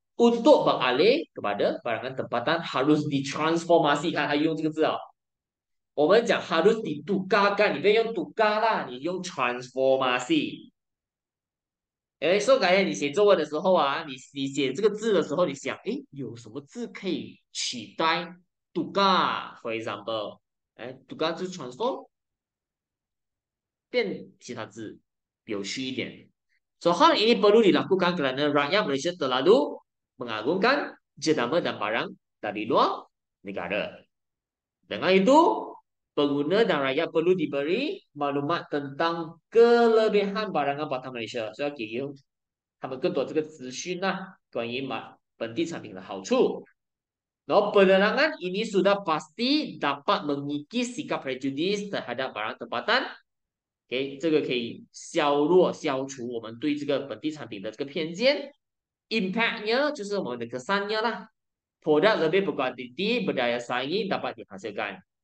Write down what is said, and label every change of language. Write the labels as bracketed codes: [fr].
[ms] Untuk beralih kepada barangan tempatan harus ditransformasikan. [zh] Ayo 用这个字哦。我们讲 [ms] harus ditukarkan， [zh] 你不要用 tukar 啦，你用 transformasi。哎，所以感觉你写作文的时候啊，你写这个字的时候，你想，哎，有什么字可以取代 tukar？ [en] For example， [zh] 哎，tukar 就是 transform，变其他字，有趣一点。 [ms] So hal ini perlu dilakukan kerana rakyat Malaysia terlalu mengagungkan jenama dan barang dari luar negara. Dengan itu, pengguna dan rakyat perlu diberi maklumat tentang kelebihan barangan buatan Malaysia. [en] So, I'll give you [zh] 他们更多这个资讯呢，关于买本地产品的好处。 [ms] 然后，penerangan ini sudah pasti dapat mengikis sikap prejudis terhadap barang tempatan. [zh] Okay, 这个可以消除我们对这个本地产品的这个偏见。 Impactnya 就是我们的 kesannya 啦。 [ms] Produk lebih berkualiti, berdaya saing dapat dihasilkan.